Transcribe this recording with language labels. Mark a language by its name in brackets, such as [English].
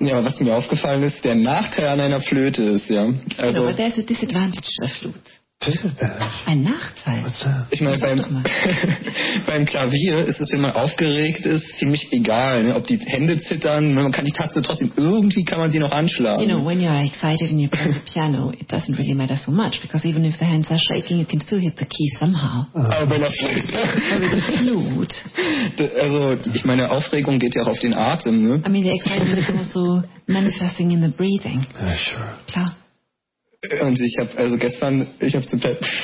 [German] Ja, was mir aufgefallen ist, der Nachteil an einer Flöte ist, ja. Also, [English] but there's a disadvantage of flute. [German] Ein Nachteil. Ich meine, beim Klavier ist es, wenn man aufgeregt ist, ziemlich egal, ne? Ob die Hände zittern, man kann die Taste trotzdem, irgendwie kann man sie noch anschlagen. [English] You know, when you are excited and you play the piano, it doesn't really matter so much, because even if the hands are shaking, you can still hit the key somehow. [German] Aber bei der Flöte. [English] Flute. [German] Also, ich meine, Aufregung geht ja auch auf den Atem, ne? [English] I mean, the excitement is also manifesting in the breathing. Ja, yeah, sure. [German] Klar. Und ich habe also gestern, ich habe zu Pep.